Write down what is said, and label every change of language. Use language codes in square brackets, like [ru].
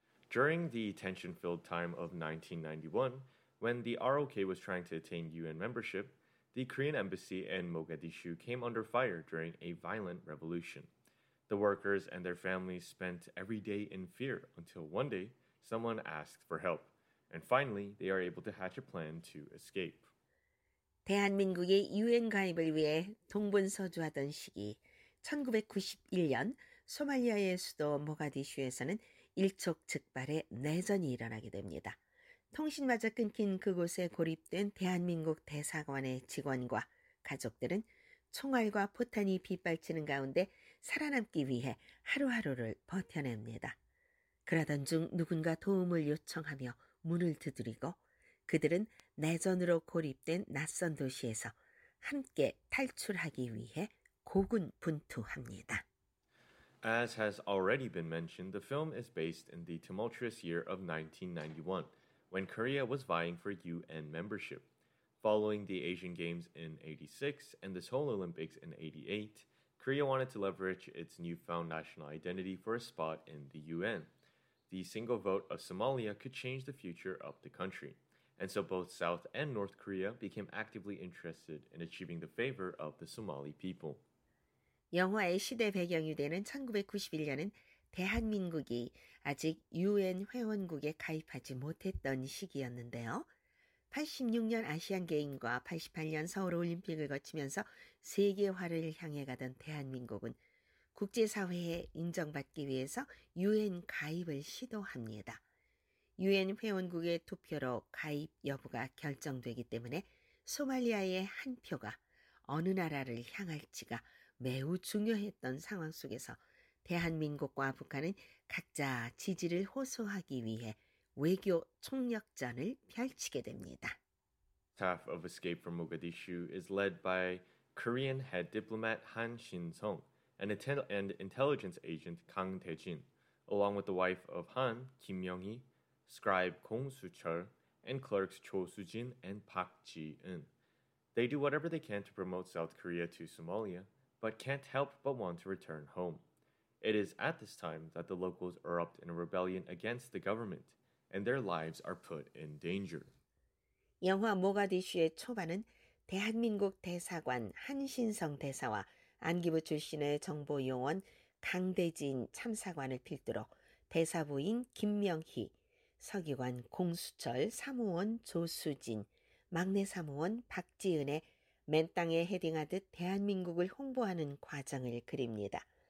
[en] During the tension-filled time of 1991, when the ROK was trying to attain UN membership, the Korean embassy in Mogadishu came under fire during a violent revolution. The workers and their families spent every day in fear until one day someone asked for help, and finally they are able to hatch a plan to escape. [ko] 대한민국이 UN 가입을 위해 동분서주하던 시기, 1991년 소말리아의 수도 모가디슈에서는 일촉즉발의 내전이 일어나게 됩니다. 통신마저 끊긴 그곳에 고립된 대한민국 대사관의 직원과 가족들은 총알과 포탄이 빗발치는 가운데 살아남기 위해 하루하루를 버텨냅니다. 그러던 중 누군가 도움을 요청하며 문을 두드리고 그들은 내전으로 고립된 낯선 도시에서 함께 탈출하기 위해 고군분투합니다. [en] As has already been mentioned, the film is based in the tumultuous year of 1991, when Korea was vying for UN membership. Following the Asian Games in 86 and the Seoul Olympics in 88, Korea wanted to leverage its newfound national identity for a spot in the UN. The single vote of Somalia could change the future of the country. And so both South and North Korea became actively interested in achieving the favor of the Somali people. [ko] 영화의 시대 배경이 되는 1991년은 대한민국이 아직 UN 회원국에 가입하지 못했던 시기였는데요. 86년 아시안게임과 88년 서울올림픽을 거치면서 세계화를 향해 가던 대한민국은 국제사회에 인정받기 위해서 UN 가입을 시도합니다. UN 회원국의 투표로 가입 여부가 결정되기 때문에 소말리아의 한 표가 어느 나라를 향할지가 매우 중요했던 상황 속에서 대한민국과 북한은 각자 지지를 호소하기 위해 외교 총력전을 펼치게 됩니다. [en] Staff of escape from Mogadishu is led by Korean head diplomat Han Shin-sung and intelligence agent Kang Tae-jin, along with the wife of Han, Kim Myung-hee, scribe Kong Su-chul, and clerks Cho Su-jin and Park Ji-eun. They do whatever they can to promote South Korea to Somalia, but can't help but want to return home. It is at this time that the locals erupt in a rebellion against the government, and their lives are put in danger. [ko] 영화 모가디슈의 초반은 대한민국 대사관 한신성 대사와 안기부 출신의 정보요원 강대진 참사관을 필두로 대사부인 김명희, 서기관 공수철, 사무원 조수진, 막내 사무원 박지은의 맨땅에 헤딩하듯 대한민국을 홍보하는 과정을 그립니다.